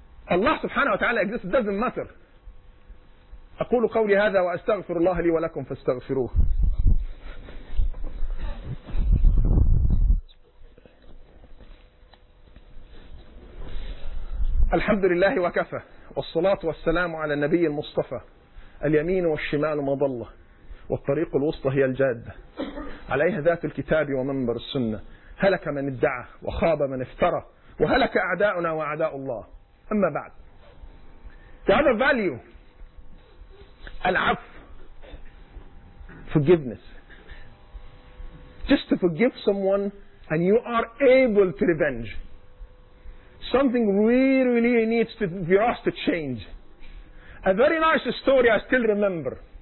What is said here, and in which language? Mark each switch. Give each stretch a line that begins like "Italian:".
English: Allah subhanahu wa ta'ala exists. It doesn't matter.
Arabic: أقول قولي هذا وأستغفر الله لي ولكم فاستغفروه. الحمد لله وكفى والصلاة والسلام على النبي المصطفى اليمين والشمال مضلة والطريق الوسطى هي الجادة عليها ذات الكتاب ومنبر السنة هلك من ادعى وخاب من افترى وهلك أعداؤنا وأعداء الله. أما بعد,
English: the other value,
Arabic: العفو,
English: forgiveness, just to forgive someone and you are able to revenge. Something really, really needs to be asked to change. A very nice story I still remember.